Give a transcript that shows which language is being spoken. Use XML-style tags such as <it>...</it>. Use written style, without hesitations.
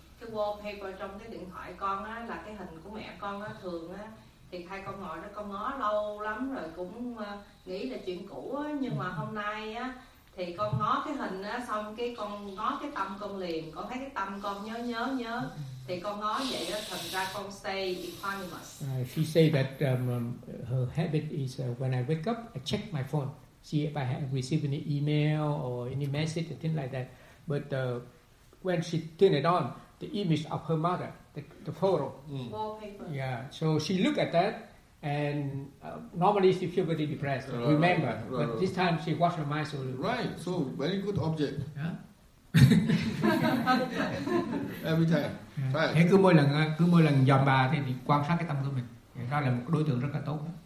<vi>Cái wallpaper trong cái điện thoại con á là cái hình của mẹ con á, thường á thì hai con ngồi đó con ngó lâu lắm rồi cũng nghĩ là chuyện cũ á, nhưng mà hôm nay á thì con ngó cái hình á xong cái con ngó cái tâm con liền, con thấy cái tâm con nhớ thì con ngó vậy á, thành ra con</vi> <en>stay equanimous. She say that her habit is when I wake up I check my phone, see if I have received any email or any message or things like that, but when she turn it on, the image of her mother, the photo. Wallpaper. Yeah, so she look at that, and normally she feel very depressed, right, remember. Right, but right, this right. time she wash her mind. So right, so very good object. Yeah. Every time. Yeah. Right.</en> <vi>Thế cứ mỗi lần dòm bà thì mình quan sát cái tâm của mình. Đó là một đối tượng rất là tốt.</vi>